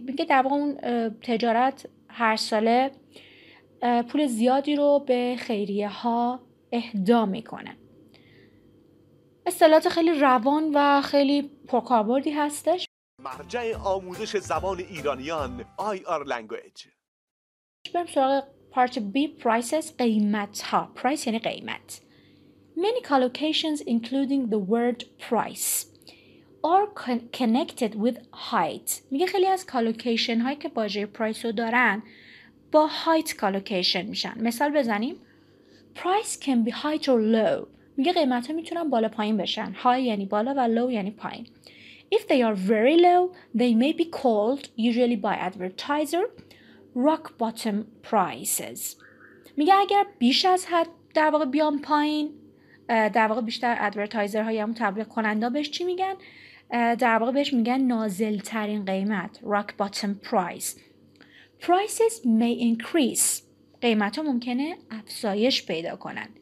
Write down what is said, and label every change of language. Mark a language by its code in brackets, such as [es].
[fa] میگه در واقع اون تجارت هر ساله پول زیادی رو به خیریه ها اهدا میکنه. اصطلاحات خیلی روان و خیلی پرکاربردی هستش. مرجع آموزش زبان ایرانیان IR Language. بریم سراغ پارت B، Prices، قیمت ها. Price یعنی قیمت. [en] Many collocations including the word price are connected with height. [fa] میگه خیلی از کالوکیشن هایی که باجه پرایس رو دارن با هایت کالوکیشن میشن. مثال بزنیم. [en] Price can be high or low. [fa] میگه قیمت ها میتونن بالا پایین بشن. High یعنی بالا و low یعنی پایین. [en] If they are very low, they may be called, usually by advertiser, rock bottom prices. [fa] میگه اگر بیش از حد در واقع بیان پایین، در واقع بیشتر ادورتایزر های همون تبلیغ کننده بهش چی میگن؟ در واقع بهش میگن نازل ترین قیمت، rock bottom price. [en] Prices may increase. [fa] قیمت ها ممکنه افزایش پیدا کنن.